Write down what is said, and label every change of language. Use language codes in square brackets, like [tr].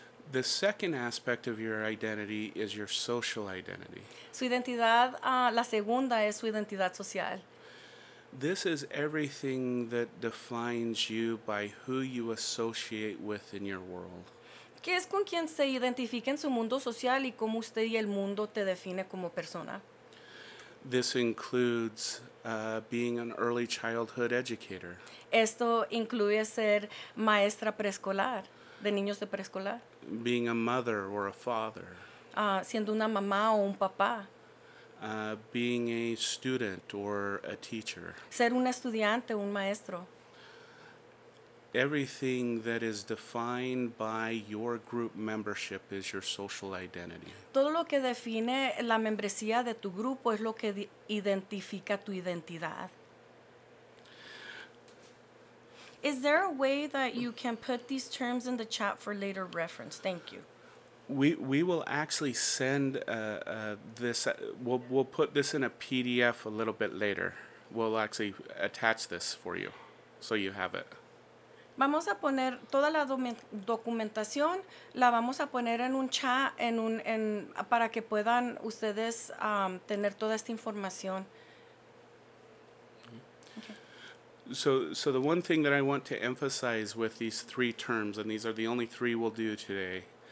[en] The second aspect of your identity is your social identity. [es] Su identidad, la segunda es su identidad social. [en] This is everything that defines you by who you associate with in your world. [es] ¿Qué es con quien se identifica en su mundo social y cómo usted y el mundo te define como persona? [en] This includes being an early childhood educator. [es] Esto incluye ser maestra preescolar, de niños de preescolar. [en] Being a mother or a father. [es] Siendo una mamá o un papá. [en] Being a student or a teacher. [es] Ser un estudiante, un maestro. [en] Everything that is defined by your group membership is your social identity. [es] Todo lo que define la membresía de tu grupo es lo que identifica tu identidad. [en] Is there a way that you can put these terms in the chat for later reference? Thank you. We will actually send this. We'll put this in a PDF a little bit later. We'll actually attach this for you, so you have it. [es] Vamos a poner toda la documentación. La vamos a poner en un chat en para que puedan ustedes tener toda esta información. [en] So the one thing that I want to emphasize with these three terms, and these are the only three we'll do today.